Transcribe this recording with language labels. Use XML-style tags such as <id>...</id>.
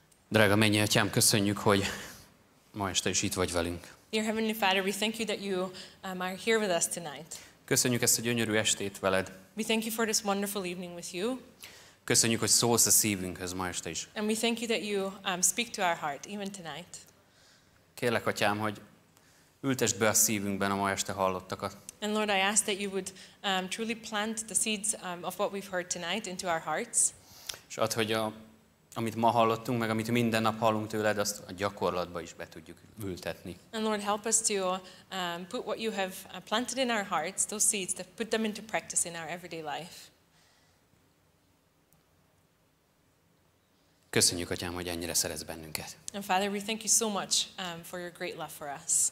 <hu>Drága mennyi atyám, köszönjük, hogy ma este is itt vagy velünk.</hu> <en>Dear Heavenly Father, we thank you that you are here with us tonight.</en> <hu>Köszönjük ezt a gyönyörű estét veled.</hu> <en>We thank you for this wonderful evening with you.</en> <hu>Köszönjük, hogy szólsz a szívünkhez ma este is.</hu> <en>And we thank you that you speak to our heart even tonight.</en> <hu>Kérlek atyám, hogy ültesd be a szívünkben a ma este hallottakat.</hu> <en>And Lord, I ask that you would truly plant the seeds of what we've heard tonight into our hearts.</en> <hu>És add, hogy amit ma hallottunk, meg amit minden nap hallunk tőled, azt a gyakorlatba is be tudjuk ültetni.</hu> <en>And Lord, help us to put what you have planted in our hearts, those seeds, to put them into practice in our everyday life.</en> <hu>Köszönjük, Atyám, hogy ennyire szeretsz bennünket.</hu> <en>And Father, we thank you so much for your great love for us.</en>